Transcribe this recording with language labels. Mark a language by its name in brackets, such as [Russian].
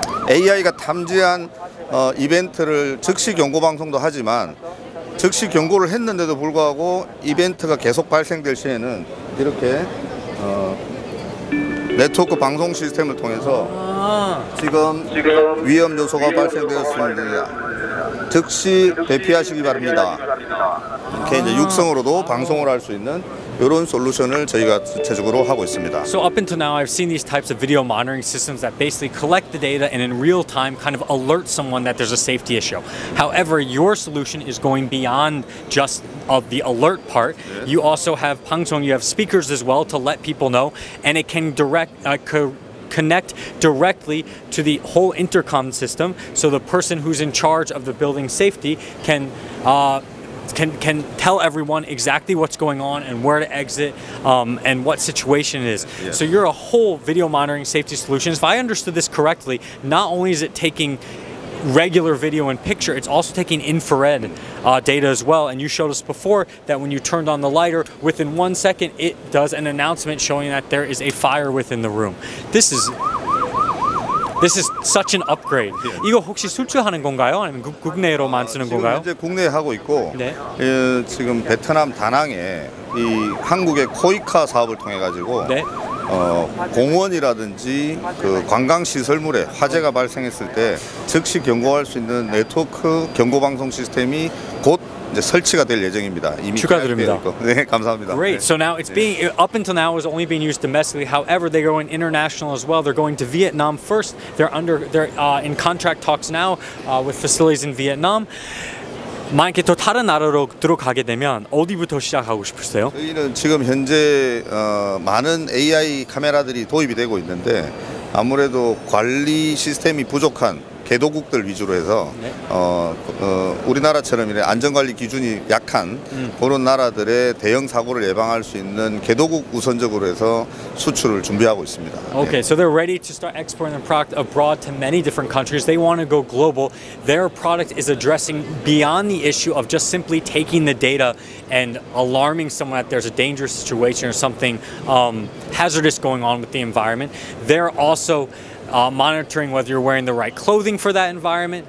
[Korean] AI가 탐지한 이벤트를 즉시 경고 방송도 하지만 즉시 경고를 했는데도 불구하고 이벤트가 계속 발생될 시에는 이렇게 네트워크 방송 시스템을 통해서 지금 위험 요소가 발생되었습니다. 즉시 대피하시기 바랍니다. 이렇게 이제 육성으로도 방송을 할 수 있는 이런 솔루션을 저희가 주체적으로 하고 있습니다. [English] So up until now, I've seen these types of video monitoring systems that basically collect the data and in real time kind of alert someone that there's a safety issue. However, your solution is going beyond just of the alert part. Yes. You also have 방송, you have speakers as well to let people know, and it can connect directly to the whole intercom system, so the person who's in charge of the building safety can tell everyone exactly what's going on and where to exit and what situation it is. Yes. So you're a whole video monitoring safety solution. If I understood this correctly, not only is it taking regular video and picture, it's also taking infrared data as well. And you showed us before that when you turned on the lighter, within 1 second, it does an announcement showing that there is a fire within the room. This is This is such an upgrade. [Korean] 이거 혹시 수출하는 건가요? 아니면 국내로만 쓰는 건가요? 지금 이제 국내에 하고 있고 네. 예, 지금 베트남 다낭에 이 한국의 코이카 사업을 통해 가지고 네. 공원이라든지 그 관광 시설물에 화재가 발생했을 때 즉시 경고할 수 있는 네트워크 경고 방송 시스템이 곧 이제 설치가 될 예정입니다. 이미 추가드립니다. 네, 감사합니다. [English] Great. [Korean] 네. [English] So now it's being up until now it was only being used domestically. However, they're going international as well. They're going to Vietnam first. They're in contract talks now with facilities in Vietnam. [Korean] 만약에 또 다른 나라로 들어가게 되면 어디부터 시작하고 싶으세요? 저희는 지금 현재 많은 AI 카메라들이 도입이 되고 있는데 아무래도 관리 시스템이 부족한 개도국들 위주로 해서 네. 우리나라처럼 이런 안전관리 기준이 약한 그런 나라들의 대형 사고를 예방할 수 있는 개도국 우선적으로 해서 수출을 준비하고 있습니다. [English] Okay, [Korean] 네. [English] so they're ready to start exporting their product abroad to many different countries. They want to go global. Their product is addressing beyond the issue of just simply taking the data and alarming someone that there's a dangerous situation or something hazardous going on with the environment. They're also monitoring whether you're wearing the right clothing for that environment.